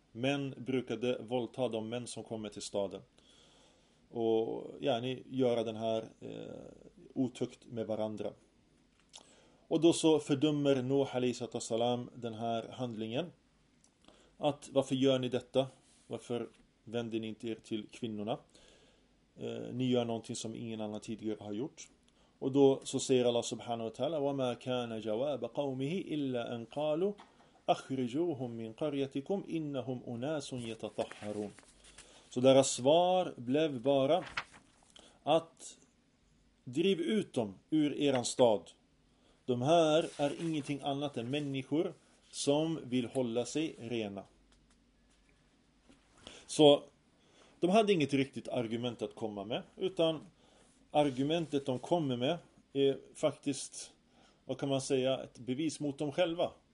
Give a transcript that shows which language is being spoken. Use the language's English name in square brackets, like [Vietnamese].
[Swedish] Män brukade våldta de män som kom till staden. Och gärna göra den här otukt med varandra. Och då så fördömer Nuh alayhi salam den här handlingen. Att varför gör ni detta? Varför vänder ni inte er till kvinnorna? Ni gör någonting som ingen annan tidigare har gjort. Och då så säger Allah subhanahu wa ta'ala: [Arabic] وَمَا كَانَ جَوَابَ قَوْمِهِ إِلَّا أَنْ قَالُوا أَخْرِجُوهُمْ مِنْ قَرْيَتِكُمْ إِنَّهُمْ أُنَاسٌ يَتَطَحَّرُونَ. [Swedish] Så deras svar blev bara att driv ut dem ur eran stad. De här är ingenting annat än människor som vill hålla sig rena. Så de hade inget riktigt argument att komma med, utan argumentet de kommer med är faktiskt, vad kan man säga, ett bevis mot dem själva.